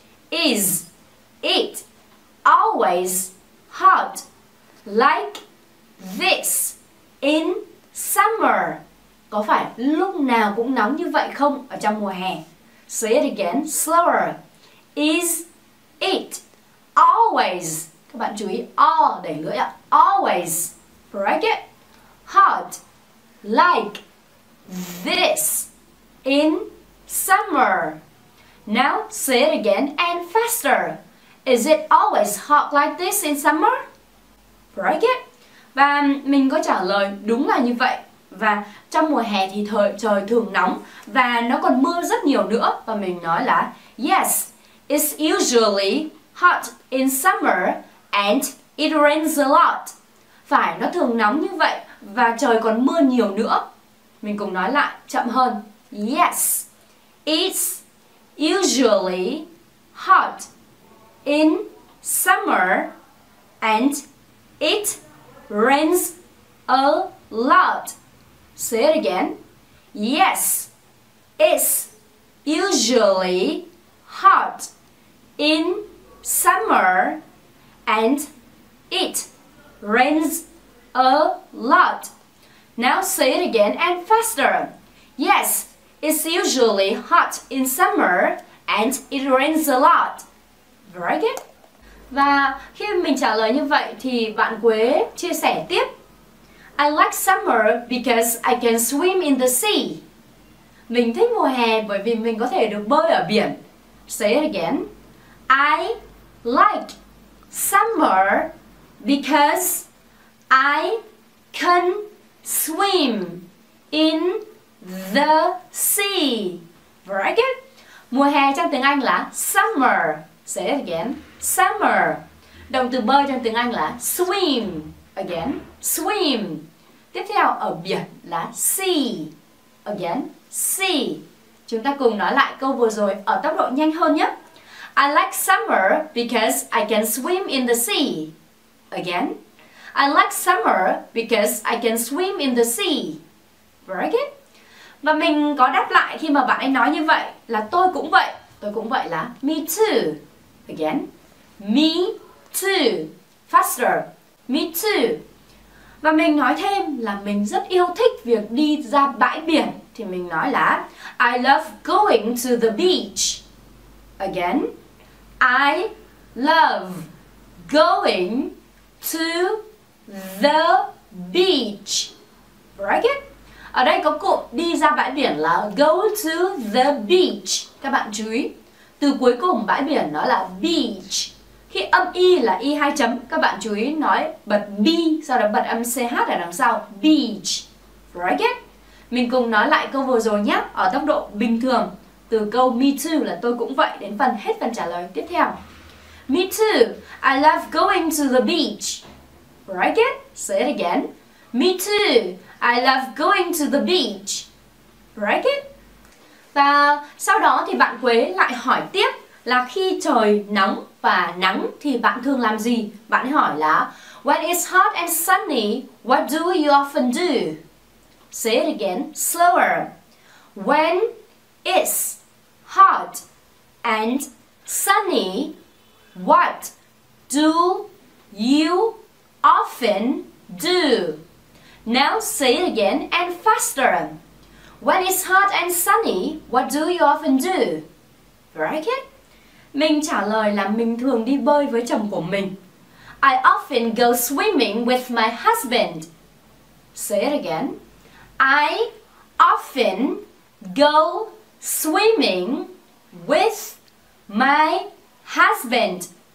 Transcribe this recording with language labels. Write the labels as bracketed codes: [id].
[en] Is it always hot like this in summer? [vi] Có phải lúc nào cũng nóng như vậy không ở trong mùa hè? [en] Say it again slower. Is it always, [vi] các bạn chú ý all để lưỡi ạ, [en] always, bracket, hot like this in summer? Now say it again and faster. Is it always hot like this in summer? Bracket. [vi] Và mình có trả lời đúng là như vậy. Và trong mùa hè thì trời thường nóng và nó còn mưa rất nhiều nữa. Và mình nói là [en] yes, it's usually hot in summer and it rains a lot. [vi] Phải, nó thường nóng như vậy và trời còn mưa nhiều nữa. Mình cùng nói lại chậm hơn. [en] Yes, it's usually hot in summer and it rains a lot. Say it again. Yes, it's usually hot in summer and it rains a lot. Now say it again and faster. Yes, it's usually hot in summer and it rains a lot. Very good. [vi] Và khi mình trả lời như vậy thì bạn Quế chia sẻ tiếp. [en] I like summer because I can swim in the sea. [vi] Mình thích mùa hè bởi vì mình có thể được bơi ở biển. [en] Say it again. I like summer because I can swim in the sea. Very good. [vi] Mùa hè trong tiếng Anh là summer. [en] Say it again. [vi] Summer. Động từ bơi trong tiếng Anh là swim. [en] Again. Swim. [vi] Tiếp theo ở biển là sea. [en] Again. Sea. [vi] Chúng ta cùng nói lại câu vừa rồi ở tốc độ nhanh hơn nhé. [en] I like summer because I can swim in the sea. Again. I like summer because I can swim in the sea. Very good. [vi] Và mình có đáp lại khi mà bạn ấy nói như vậy là tôi cũng vậy. Tôi cũng vậy là [en] me too. Again. Me too. Faster. Me too. [vi] Và mình nói thêm là mình rất yêu thích việc đi ra bãi biển. Thì mình nói là [en] I love going to the beach. Again. I love going to the beach. Bracket. [vi] Ở đây có cụm đi ra bãi biển là [en] go to the beach. [vi] Các bạn chú ý, từ cuối cùng bãi biển nó là beach. Khi âm y là y hai chấm, các bạn chú ý nói bật b sau đó bật âm ch ở đằng sau, beach. Bracket. Mình cùng nói lại câu vừa rồi nhé, ở tốc độ bình thường. Từ câu [en] me too [vi] là tôi cũng vậy đến phần hết phần trả lời tiếp theo. [en] Me too, I love going to the beach. Break it, say it again. Me too, I love going to the beach. Break it. [vi] Và sau đó thì bạn Quế lại hỏi tiếp là khi trời nóng và nắng thì bạn thường làm gì? Bạn hỏi là [en] when it's hot and sunny, what do you often do? Say it again, slower. When it's hot and sunny, what do you often do? Now say it again and faster. When it's hot and sunny, what do you often do? Break it. [vi] Mình trả lời là mình thường đi bơi với chồng của mình. [en] I often go swimming with my husband. Say it again. I often go swimming with my husband.